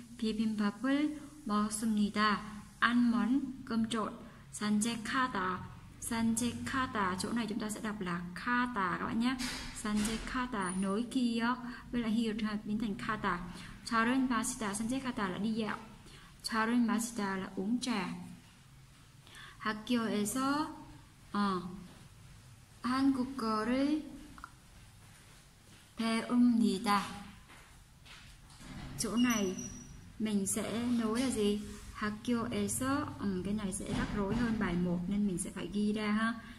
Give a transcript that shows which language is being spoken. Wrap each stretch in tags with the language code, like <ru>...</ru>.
<ko>비빔밥을 먹습니다.</ko> <vi>Ăn món cơm trộn.</vi> <ko>산책하다.</ko> <vi>산책하다 chỗ này chúng ta sẽ đọc là 카다 các bạn nhé. 산책하다 nối kia với là hiểu biến thành 카다.</vi> <ko>차를 마시다 산책하다</ko> <vi>là đi dạo.</vi> <ko>차를 마시다</ko> <vi>là uống trà.</vi> <ko>학교에서 한국어를 배웁니다.</ko> <vi>Chỗ này mình sẽ nối là gì? 학교에서 cái này sẽ rắc rối hơn bài 1 nên mình sẽ phải ghi ra ha.</vi>